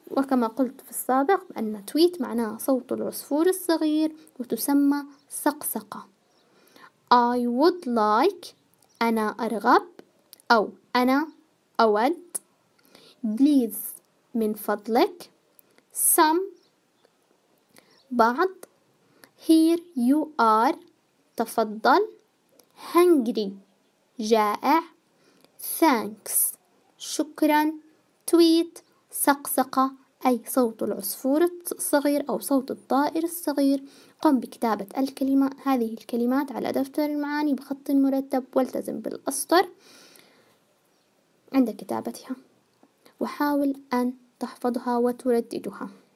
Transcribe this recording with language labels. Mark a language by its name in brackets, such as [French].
[Arabic] وكما قلت في السابق أن تويت معناه صوت العصفور الصغير وتسمى سقسقة. [English] I would like, [Arabic] أنا أرغب أو أنا أود. [English] Please, [Arabic] من فضلك. [English] Some, [Arabic] بعض. [English] Here you are, [Arabic] تفضل. [English] Hungry, [Arabic] جائع. [English] Thanks, [Arabic] شكرا. [English] Tweet, [Arabic] سقسقة أي صوت العصفور الصغير أو صوت الطائر الصغير. قم بكتابة الكلمة هذه الكلمات على دفتر المعاني بخط مرتب والتزم بالأسطر عند كتابتها وحاول أن تحفظها وترددها.